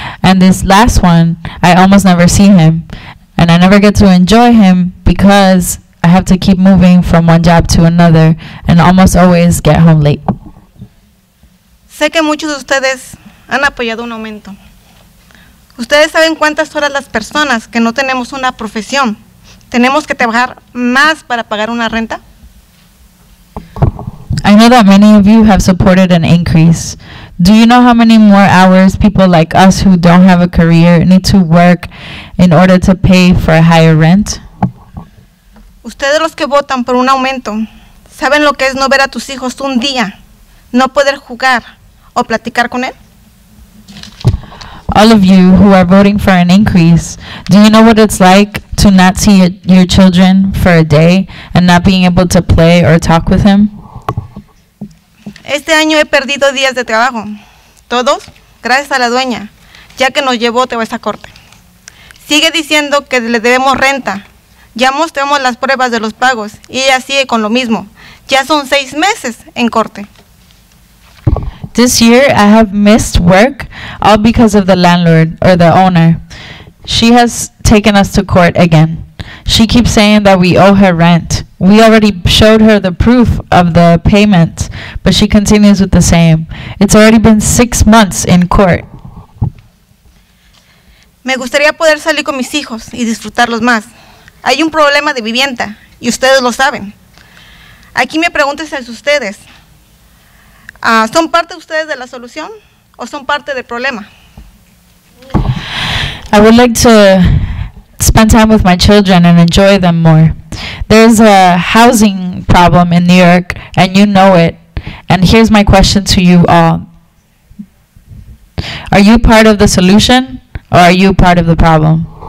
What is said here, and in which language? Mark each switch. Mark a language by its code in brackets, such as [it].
[en] And this last one, I almost never see him. And I never get to enjoy him because I have to keep moving from one job to another and almost always get home late. [es] Sé que muchos de ustedes han apoyado un aumento. Ustedes saben cuántas horas las personas que no tenemos una profesión tenemos que trabajar más para pagar una renta. [en] I know that many of you have supported an increase. Do you know how many more hours people like us who don't have a career need to work in order to pay for a higher rent? [es] Ustedes los que votan por un aumento, ¿saben lo que es no ver a tus hijos un día, no poder jugar o platicar con él? [en] All of you who are voting for an increase, do you know what it's like to not see your children for a day and not being able to play or talk with him? [es] Este año he perdido días de trabajo, todos gracias a la dueña, ya que nos llevó a esta corte. Sigue diciendo que le debemos renta, Ya mostramos las pruebas de los pagos y ella sigue con lo mismo. Ya son 6 meses en corte. [en] This year I have missed work all because of the landlord or the owner. She has taken us to court again. She keeps saying that we owe her rent. We already showed her the proof of the payment, but she continues with the same. It's already been 6 months in court. [es] Me gustaría poder salir con mis hijos y disfrutarlos más. Hay un problema de vivienda, y ustedes lo saben. Aquí me preguntan a ustedes, ¿son parte ustedes de la solución o son parte del problema? [en] I would like to spend time with my children and enjoy them more. There's a housing problem in New York, and you know it. And here's my question to you all. Are you part of the solution, or are you part of the problem?